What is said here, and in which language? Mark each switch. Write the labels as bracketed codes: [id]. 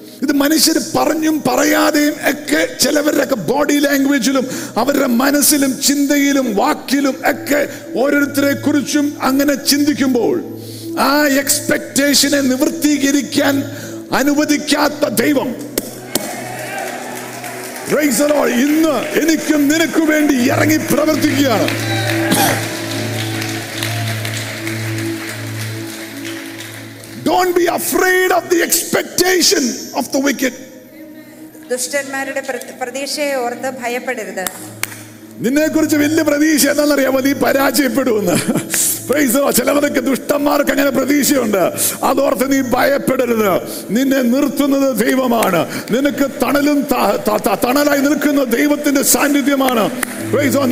[ml] ഇത് മനുഷ്യർ പറഞ്ഞും പറയാതെയും ഒക്കെ ചിലവരുടെയൊക്കെ ബോഡി ലാംഗ്വേജിലും അവരുടെ മനസ്സിലും ചിന്തയിലും വാക്കിലും ഒക്കെ ഓരോരുത്തരെ കുറിച്ചും അങ്ങനെ ചിന്തിക്കുമ്പോൾ ആ എക്സ്പെക്ടേഷനെ നിവൃത്തീകരിക്കാൻ അനുവദിക്കാത്ത ദൈവം. [en] Praise the Lord. [ml] ഇന്ന് എനിക്കും നിനക്കും വേണ്ടി ഇറങ്ങി പ്രവർത്തിക്കുകയാണ്. [en] Don't be afraid of the expectation of the wicked. [ml] ദുഷ്ടന്മാരുടെ പ്രതീക്ഷയെ ഓർത്ത് ഭയപ്പെടരുത്. നിന്നെക്കുറിച്ച് വലിയ പ്രതീക്ഷ എന്നറിയാമോ? നീ പരാജയപ്പെടുമെന്ന്. [en] Praise the Lord. [ml] ചിലവർക്ക് ദുഷ്ടന്മാർക്ക് അങ്ങനെ പ്രതീക്ഷയുണ്ട്. അതോർത്ത് നീ ഭയപ്പെടരുത്. നിന്നെ നിർത്തുന്നത് ദൈവമാണ്. നിനക്ക് തണലും തണലായി നിൽക്കുന്ന ദൈവത്തിന്റെ സാന്നിധ്യമാണ്. [en] Praise the Lord.